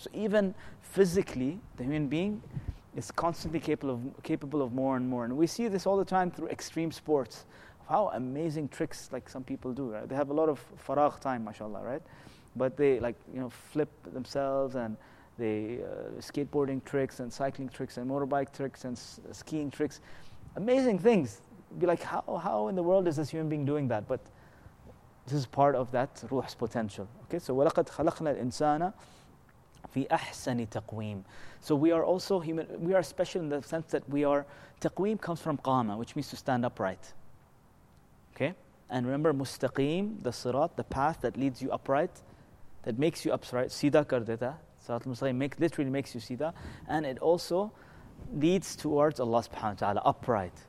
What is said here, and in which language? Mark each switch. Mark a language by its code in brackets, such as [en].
[en] So even physically, the human being is constantly capable of more and more. And we see this all the time through extreme sports, how amazing tricks, like, some people do, right? They have a lot of faragh time, mashallah, right? But they, like, you know, flip themselves, and they skateboarding tricks and cycling tricks and motorbike tricks and skiing tricks, amazing things. Be like, how in the world is this human being doing that? But this is part of that ruh's potential. Okay, so [ar] وَلَقَدْ خَلَقْنَا الْإِنسَانَ فِي أَحْسَنِ تَقْوِيمٍ. [en] So we are also human. We are special in the sense that we are taqweem comes from qama, which means to stand upright. Okay, and remember mustaqim, the sirat, the path that leads you upright, that makes you upright. [ur] Sida kar deta, [en] sirat al-mustaqim literally makes you sida, and it also leads towards Allah subhanahu wa taala, upright.